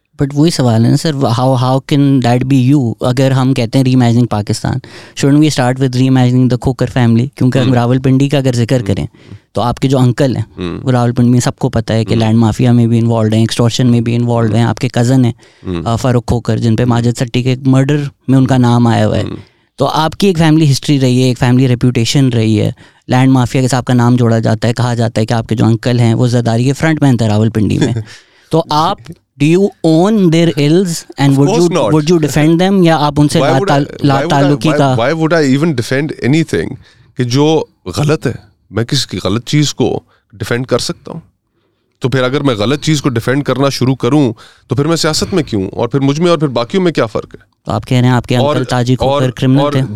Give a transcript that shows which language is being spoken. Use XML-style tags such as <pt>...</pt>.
<ur>But وہی سوال ہے سر,</ur> <en>How can that be you?</en> <ur>اگر ہم کہتے ہیں ری imaging Pakistan,</ur> <en>Shouldn't we start with reimagining the Khokhar family?</en> <ur>کیونکہ راول پنڈی کا اگر ذکر کریں تو آپ کے جو انکل ہیں وہ راول پنڈی میں, سب کو پتا ہے کہ لینڈ مافیا میں بھی انوالوڈ ہیں, ایکسٹورشن میں بھی انوالوڈ ہیں. آپ کے کزن ہیں فاروق کھوکر, جن پہ ماجد سٹی کے مرڈر میں ان کا نام آیا ہوا ہے. تو آپ کی ایک فیملی ہسٹری رہی ہے, ایک فیملی ریپوٹیشن رہی ہے, لینڈ مافیا کے ساتھ آپ کا نام جوڑا جاتا ہے, کہا جاتا ہے کہ آپ کے جو انکل ہیں وہ زرداری کے فرنٹ مین تھے راول پنڈی میں. تو آپ</ur> <en>Do you own their ills and would you defend them?</en> <ur>Yeah, آپ ان سے لا تعلقی کا.</ur> <en>Why would I even defend anything</en> <ur>کہ جو غلط ہے, میں کسی کی غلط چیز کو ڈیفینڈ کر سکتا ہوں؟ تو پھر اگر میں غلط چیز کو ڈیفینڈ کرنا شروع کروں تو پھر میں سیاست میں کیوں, اور پھر مجھ میں اور پھر باقیوں میں کیا فرق ہے؟ تو آپ کہہ رہے ہیں آپ کے انکل تاجی کو پھر کرمنل تھے.</ur>